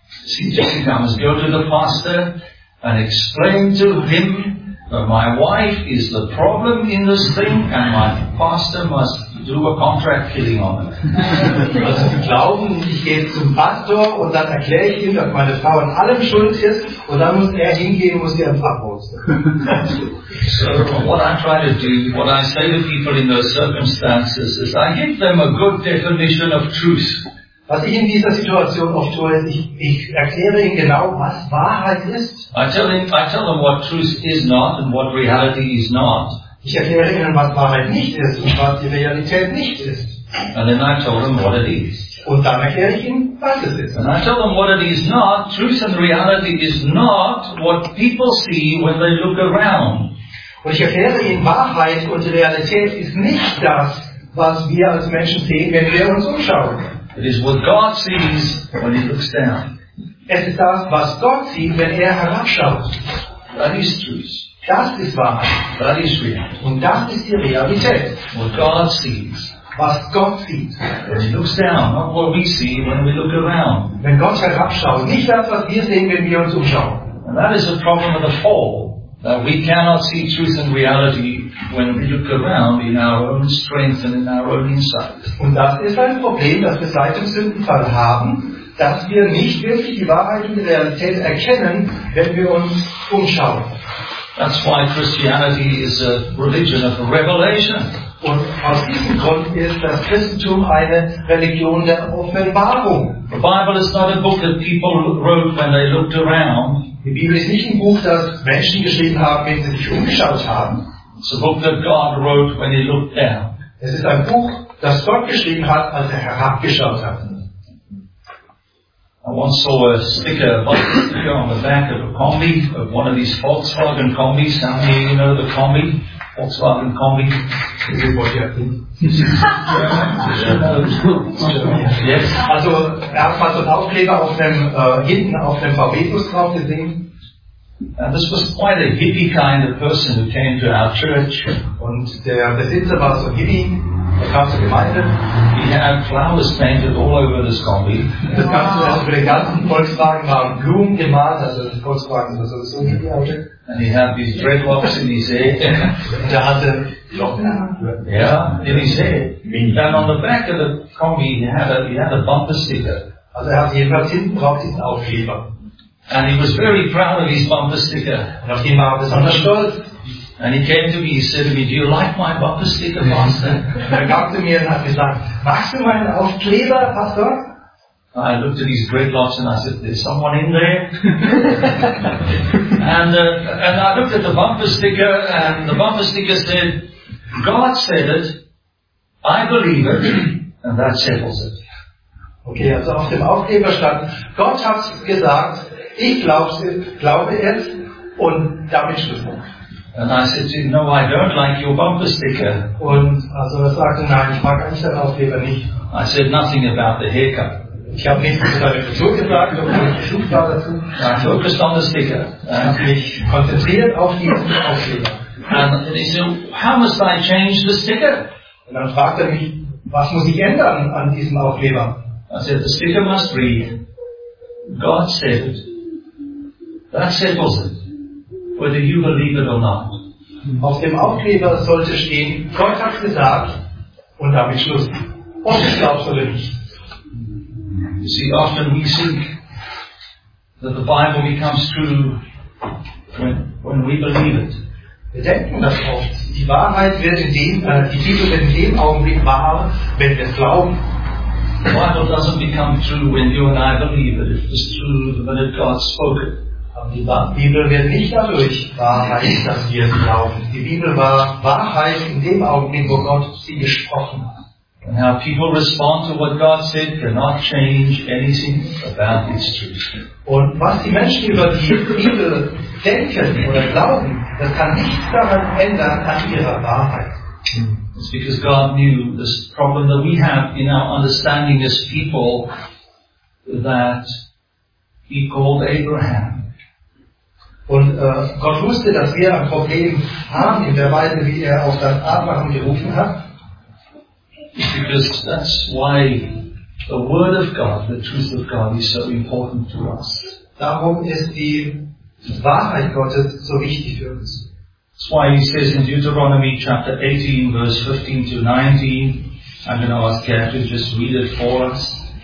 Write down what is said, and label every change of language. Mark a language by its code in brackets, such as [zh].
[en] See, Jessica, I must go to the pastor and explain to him that my wife is the problem in this thing and my pastor must do a contract killing on her. [de] Also zu glauben, ich gehe zum Pastor und dann erkläre ich ihm, dass meine Frau an allem schuld ist und dann muss er hingehen und muss ihr einfach rausnehmen. [en] So, what I try to do, what I say to people in those circumstances is I give them a good definition of truth. [de] Was ich in dieser Situation oft tue, ist, ich erkläre ihnen genau, was Wahrheit ist. [en] I tell them what truth is not and what reality is not. [de] Ich erkläre ihnen, was Wahrheit nicht ist und was die Realität nicht ist. [en] And then I tell them what it is. [de] Und dann erkläre ich ihnen, was es ist. [en] And I tell them what it is not. Truth and reality is not what people see when they look around. [de] Und ich erkläre ihnen, Wahrheit und Realität ist nicht das, was wir als Menschen sehen, wenn wir uns umschauen. [en] It is what God sees when he looks down. [de] Es ist das, was Gott sieht, wenn er herabschaut. [en] That is truth. [de] Das ist Wahrheit. [en] That is reality. [de] Und das ist die Realität. [en] What God sees. [de] Was Gott sieht. [en] When he looks down, not what we see when we look around. [de] Wenn Gott herabschaut, nicht das, was wir sehen, wenn wir uns umschauen. [en] And that is the problem of the fall. That we cannot see truth and reality when we look around in our own strength and in our own insight. [de] Und das ist ein Problem, das wir seit dem Sündenfall haben, dass wir nicht wirklich die Wahrheit und die Realität erkennen, wenn wir uns umschauen. [en] That's why Christianity is a religion of revelation. [de] Und aus diesem Grund ist das Christentum eine Religion der Offenbarung. [en] The Bible is not a book that people wrote when they looked around. [de] Die Bibel ist nicht ein Buch, das Menschen geschrieben haben, wenn sie sich umgeschaut haben. [en] It's a book that God wrote when he looked down. [de] Es ist ein Buch, das Gott geschrieben hat, als er herabgeschaut hat. [en] I once saw a sticker on the back of a Kombi, of one of these Volkswagen Kombis. How many of you know the Kombi? Volkswagen Kombi. Is it what you have been? Yes. [de] Also, erstmal so ein Aufkleber auf dem, hinten auf dem VW-Bus drauf gesehen. [en] And this was quite a hippie kind of person who came to our church. [de] Und der Besitzer war so hippie. [en] He had flowers painted all over this Kombi. [de] Das ganze, also für den ganzen Volkswagen waren Blumen gemalt, also das Volkswagen war sowieso ein Hippie-Auto. [en] And he had these dreadlocks in his hair. [de] Und er hatte Locken. [en] Yeah, in his hair. Then on the back of the Kombi he had a bumper sticker. [de] Also er hatte jedenfalls hinten drauf diesen Aufkleber. [en] And he was very proud of his bumper sticker. [de] Und auf ihn war besonders stolz. [en] And he came to me, he said to me, do you like my bumper sticker, Pastor? [de] Er kam zu mir und hat gesagt, magst du meinen Aufkleber, Pastor? [en] I looked at his dreadlocks and I said, there's someone in there. And I looked at the bumper sticker and the bumper sticker said, God said it, I believe it, and that settles it. [de] Okay, also auf dem Aufkleber stand, Gott hat gesagt, ich glaube es, und damit schluss man. [en] And I said to him, no, I don't like your bumper sticker. [de] Und also er sagte, nein, ich mag eigentlich deinen Aufkleber nicht. [en] I said nothing about the haircut. [de] Ich habe nichts über deine Frisur gesagt, nur über die Schuhe dazu. [en] I focused on the sticker. [de] Ich habe mich konzentriert auf diesen Aufkleber. [en] And he said, how must I change the sticker? [de] Und dann fragte er mich, was muss ich ändern an diesem Aufkleber? [en] I said, the sticker must read, God said it. That settles it. Whether you believe it or not. [de] Auf dem Aufkleber sollte stehen, Gott hat gesagt, und damit Schluss. Ob ich glaube oder nicht. [en] You see, often we think that the Bible becomes true when we believe it. [de] Wir denken das oft. Die Wahrheit wird die Bibel wird in dem Augenblick wahr, wenn wir es glauben. [en] The Bible doesn't become true when you and I believe it. It's true the minute God spoke it. [de] Die Bibel wird nicht dadurch Wahrheit, dass wir sie glauben. Die Bibel war Wahrheit in dem Augenblick, wo Gott sie gesprochen hat. [en] And how people respond to what God said cannot change anything about its truth. [de] Und was die Menschen über die Bibel denken oder glauben, das kann nichts daran ändern an ihrer Wahrheit. [en] It's because God knew this problem that we have in our understanding as people that he called Abraham. [de] Und Gott wusste, dass wir ein Problem haben in der Weise, wie er auf das Abmachen gerufen hat. [en] Because that's why the Word of God, the truth of God, is so important to us. [de] Darum ist die Wahrheit Gottes so wichtig für uns. [en] That's why he says in Deuteronomy chapter 18, verse 15 to 19, I'm going to ask you to just read it for us.